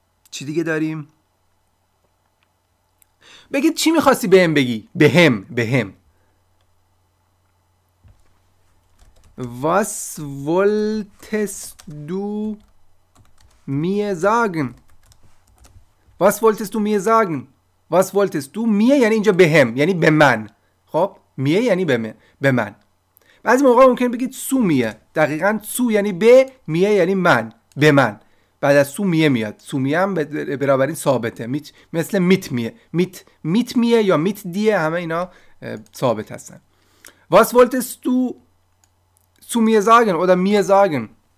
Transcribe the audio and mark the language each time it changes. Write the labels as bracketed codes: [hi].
[fa] چی دیگه داریم؟ بگید چی می‌خواستی بهم بگی؟ بهم، بهم. [de] Was wolltest du mir sagen? Was wolltest du mir sagen? Was wolltest du mir [fa] یعنی اینجا بهم، یعنی به من. خب میه یعنی به من. بعضی موقع ممکن بگید سو میه. دقیقاً سو یعنی به، میه یعنی من، به من. بعد از سو میه میاد. سو میه هم برابری ثابته. مثل میت میه. میت میت میه یا میت دیه، همه اینا ثابت هستن. [de] Was wolltest du zu mir sagen oder mir sagen.